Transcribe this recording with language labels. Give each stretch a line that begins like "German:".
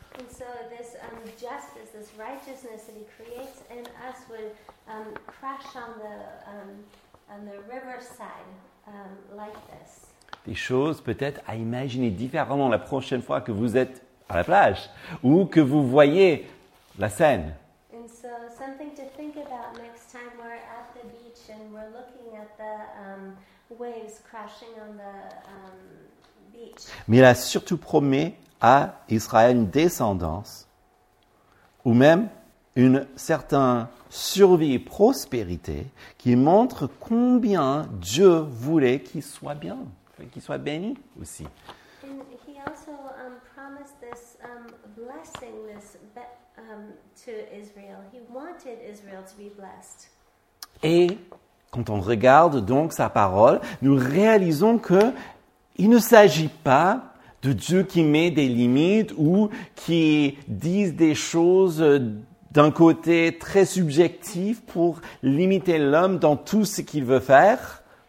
English: And so this justice, this righteousness that he creates in us would crash on the riverside like this.
French: Des choses peut-être à imaginer différemment la prochaine fois que vous êtes à la plage ou que vous voyez la scène.
English: And so something to think about next time we're at the beach and we're looking at the waves crashing on the beach.
French: Mais il a surtout promis à Israël une descendance ou même une certaine survie et prospérité qui montre combien Dieu voulait qu'il soit bien, qu'il soit béni aussi.
English: And he also promised this blessing, this to Israel. He wanted Israel to be blessed.
French: Et quand on regarde donc sa parole, nous réalisons que il ne s'agit pas de Dieu qui met des limites ou qui dise des choses d'un côté très subjectif pour limiter l'homme dans tout ce qu'il veut faire.